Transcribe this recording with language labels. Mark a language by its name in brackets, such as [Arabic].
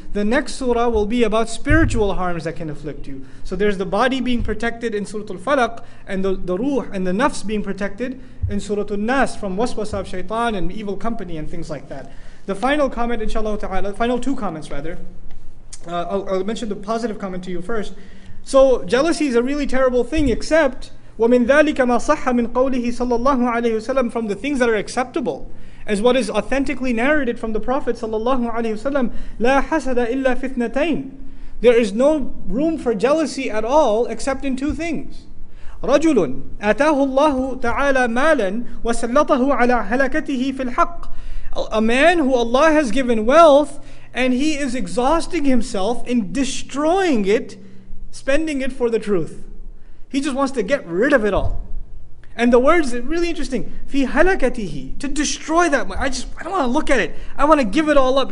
[English] The next surah will be about spiritual harms that can afflict you. So there's the body being protected in Surah Al-Falaq, and the ruh and the nafs being protected in Surah Al-Nas from waswasa of shaitan and evil company and things like that. The final comment, inshallah ta'ala, final two comments rather. I'll mention the positive comment to you first. So jealousy is a really terrible thing, except [Arabic] وَمِن ذَلِكَ مَا صَحَّ مِن قَوْلِهِ صَلَّى اللَّهُ عَلَيْهِ وَسَلَّمَ. [English] From the things that are acceptable, as what is authentically narrated from the Prophet sallallahu alaihi wasallam, [Arabic] لا حسد إلا في اثنتين. [English] There is no room for jealousy at all except in two things. [Arabic] رجل أتاه الله تعالى مالا وسلطه على هلكته في الحق. [English] A man who Allah has given wealth and he is exhausting himself in destroying it, spending it for the truth. He just wants to get rid of it all. And the words are really interesting. Fi halakatihi, to destroy that money. I don't want to look at it. I want to give it all up.